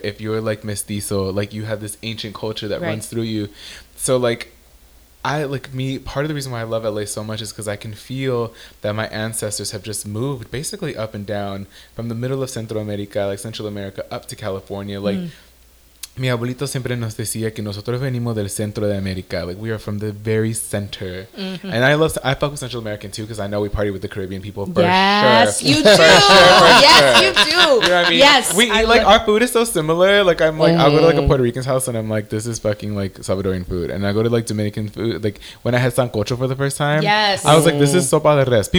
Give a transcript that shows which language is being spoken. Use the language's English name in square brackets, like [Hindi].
[English] If you're like mestizo, like you have this ancient culture that runs through you. So like, part of the reason why I love LA so much is because I can feel that my ancestors have just moved basically up and down from the middle of Central America, like Central America, up to California. [Spanish] Like, mi abuelito siempre nos decía que nosotros venimos del centro de América. [English] Like, we are from the very center. Mm-hmm. And I fuck with Central American too, because I know we party with the Caribbean people for Yes, you do. We eat, like, our food is so similar. Like, I'm like, I go to like a Puerto Rican's house and I'm like, this is fucking like Salvadorian food. And I go to like Dominican food. Like, when I had sancocho for the first time, I was like, this is sopa de res.